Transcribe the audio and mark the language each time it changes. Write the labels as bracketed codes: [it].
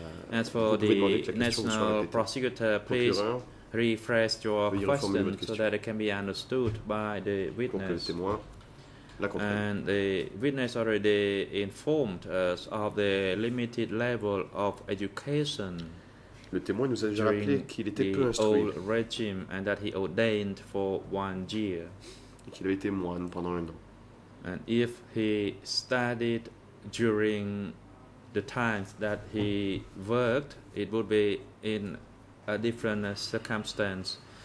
[en] As for the national prosecutor, please rephrase your question so that it can be understood by the witness. And the witness already informed us of the limited level of education. [fr] Le témoin nous a déjà rappelé qu'il était peu instruit. [en] Old regime and that he ordained for 1 year. [fr] Et qu'il avait été moine pendant 1 an. [en] And if he studied during the times that he worked, it would be in a different circumstance.